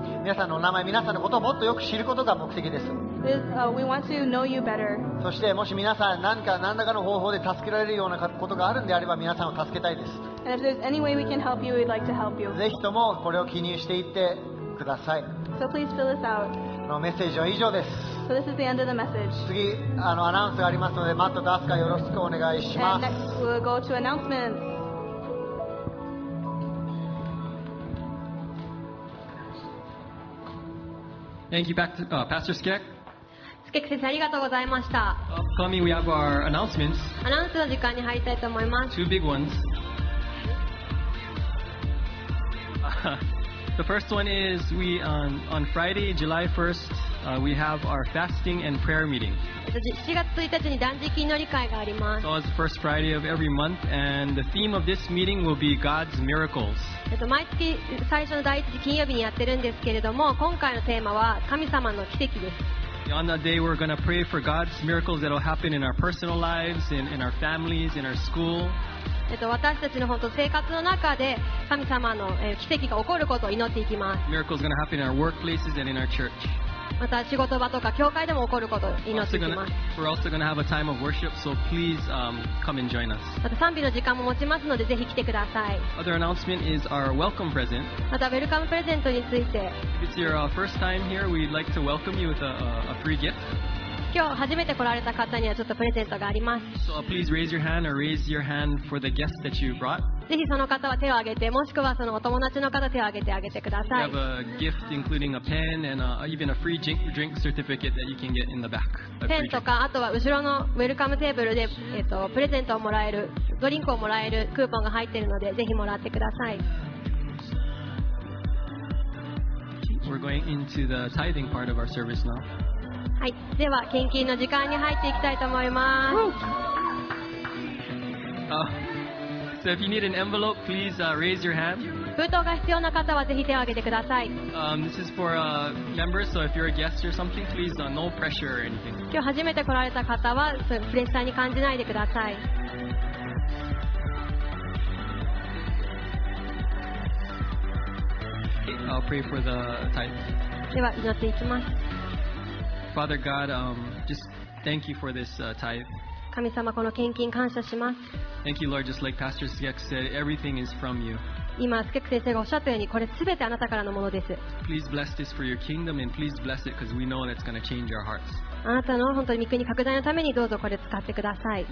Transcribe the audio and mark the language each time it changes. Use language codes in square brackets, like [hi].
[ja] 皆さんのお名前、皆さんのことをもっとよく知ることが目的です。 [en] We want to know you better. [ja] そしてもし皆さん何らかの方法で助けられるようなことがあるんであれば皆さんを助けたいです。 [en] And if there's any way we can help you, we'd like to help you. [ja] ぜひともこれを記入していってください。 [en] So please fill this out. [ja] メッセージは以上です。 [en] So、this is the end of the message. [ja] 次、アナウンスがありますので、マット・ダスカ、よろしくお願いします。 [en] And next, we'll go to announcements. Thank you, back to, Pastor Skek. [ja] Skek 先生、ありがとうございました。 [en] Upcoming, we have our announcements. [ja] アナウンスの時間に入りたいと思います。 [en] Two big ones. The first one is we on Friday, July 1st, we have our fasting and prayer meeting. [ja] 7月1日に断食祈り会があります。 [en] So it's the first Friday of every month, and the theme of this meeting will be God's miracles. [ja] 毎月最初の第一金曜日にやってるんですけれども、今回のテーマは神様の奇跡です。 [en] On that day, we're going to pray for God's miracles that will happen in our personal lives, in our families, in our school. [ja] 私たちの本当生活の中で神様の奇跡が起こることを祈っていきます。 [en] Miracles going to happen in our workplaces and in our church. [ja] また仕事場とか教会でも起こることを祈っていきます。 [en] We're also going to have a time of worship, so please, come and join us. [ja] また賛美の時間も持ちますのでぜひ来てください。 [en] Other announcement is our welcome present. [ja] またウェルカムプレゼントについて。 [en] If it's your, first time here, we'd like to welcome you with a free gift. [ja] 今日初めて来られた方にはちょっとプレゼントがあります。 [en] So please raise your hand or raise your hand for the guest that you brought. [ja] ぜひその方は手を挙げて、もしくはそのお友達の方手を挙げてあげてください。 [en] We have a gift including a pen and even a free drink certificate that you can get in the back. [ja] ペンとか、あとは後ろのウェルカムテーブルで、プレゼントをもらえる、ドリンクをもらえるクーポンが入っているのでぜひもらってください。 [en] We're going into the tithing part of our service now. [ja] はい、では献金の時間に入っていきたいと思います。 [en] So if you need an envelope, please, raise your hand. [ja] 封筒が必要な方はぜひ手を挙げてください。 [en] This is for, members, so if you're a guest or something, please, no pressure or anything. [ja] 今日初めて来られた方はプレッシャーに感じないでください。 [en] Okay, I'll pray for the time. [ja] では祈っていきます。 [en] Father God, just thank you for this, tithe. [ja] 神様、この献金感謝します。 [en] Thank you, Lord. Just like Pastor Skek said, everything is from you. [ja] 今、スケク先生がおっしゃったように、これすべてあなたからのものです。 [en] Please bless this for your kingdom, and please bless it because we know that's going to change our hearts. [ja] あなたの本当に御国拡大のためにどうぞこれ使ってください。